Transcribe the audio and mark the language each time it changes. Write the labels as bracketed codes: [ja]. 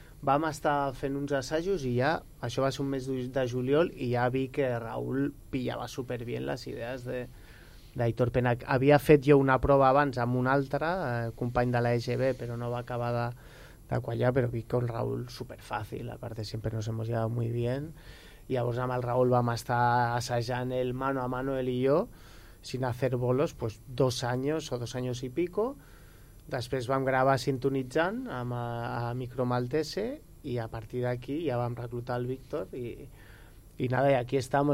[ca] Vam estar fent uns assajos i ja, això va ser un mes de juliol, i ja vi que Raúl pillava superbien les idees d'Hitor Penac. Havia fet jo una prova abans amb un altre, company de la EGB, però no va acabar de... Allà, però vi que amb Raúl superfàcil, a part de sempre [es] nos hemos llevado muy bien, [ca] i llavors amb el Raúl vam estar assajant el mano a mano, ell i jo, [es] sin hacer bolos, pues dos años o dos años y pico. [ca] Després vam gravar sintonitzant amb a Micromaltese i a partir d'aquí ja vam reclutar el Víctor i nada, i aquí estem.